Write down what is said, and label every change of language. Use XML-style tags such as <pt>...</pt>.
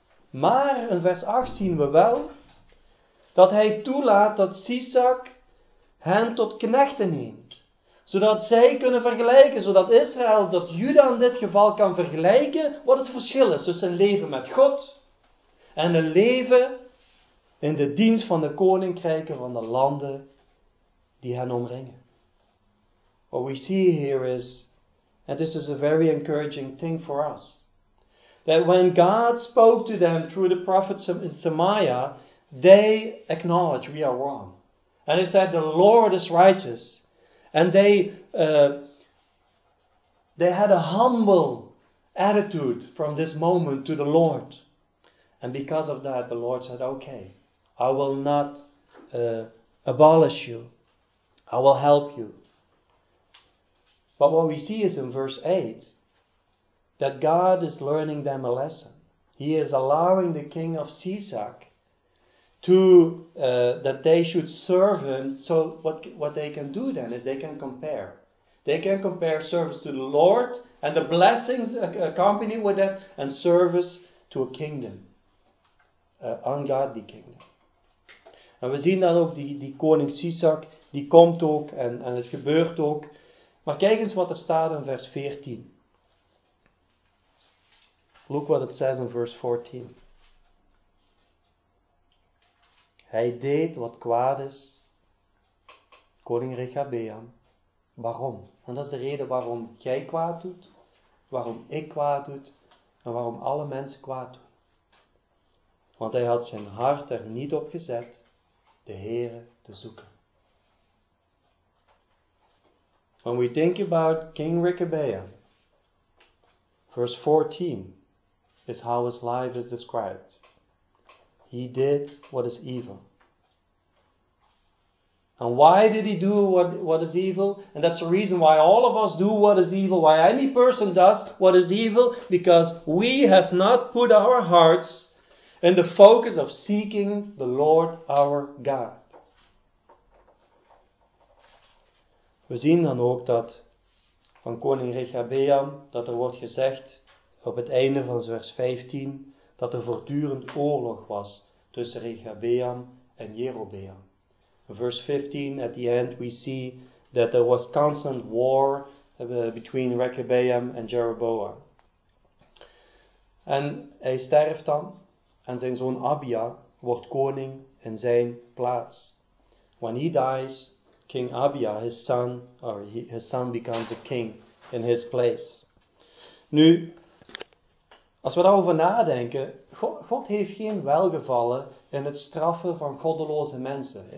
<nl>Maar in vers 8 zien we wel dat hij toelaat dat Sisak hen tot knechten neemt. Zodat zij kunnen vergelijken, zodat Israël, dat Juda in dit geval kan vergelijken wat het verschil is tussen een leven met God en een leven in de dienst van de koninkrijken van de landen die hen omringen.</nl> <en>What we see here is, and this is a very encouraging thing for us, that when God spoke to them through the prophet Samaria, they acknowledged we are wrong. And they said, the Lord is righteous. And they had a humble attitude from this moment to the Lord. And because of that, the Lord said, okay, I will not abolish you. I will help you. But what we see is in verse 8, that God is learning them a lesson. He is allowing the king of Sisak that they should serve him. So what they can do then is they can compare. They can compare service to the Lord and the blessings accompanied with that, and service to a kingdom, an ungodly kingdom.</en> <nl>En we zien dan ook die koning Sisak, die komt ook en het gebeurt ook. Maar kijk eens wat er staat in vers 14.</nl> <en>Look what it says in verse 14.</en> <nl>Hij deed wat kwaad is, koning Rechabeam. Waarom? En dat is de reden waarom jij kwaad doet, waarom ik kwaad doe en waarom alle mensen kwaad doen. Want hij had zijn hart er niet op gezet de Heere te zoeken.</nl> <en>When we think about King Rechabeam, verse 14 is how his life is described. He did what is evil. And why did he do what is evil? And that's the reason why all of us do what is evil, why any person does what is evil, because we have not put our hearts in the focus of seeking the Lord our God.</en> <nl>We zien dan ook dat van koning Rechabeam, dat er wordt gezegd op het einde van vers 15, dat er voortdurend oorlog was tussen Rechabeam en Jerobeam.</nl> <en>Verse 15, at the end, we see that there was constant war between Rechabeam and Jeroboam.</en> <nl>En hij sterft dan, en zijn zoon Abia wordt koning in zijn plaats.</nl> <en>When he dies, King Abia, his son becomes a king in his place.</en> <nl>Nu, als we daarover nadenken, God heeft geen welgevallen in het straffen van goddeloze mensen.</nl>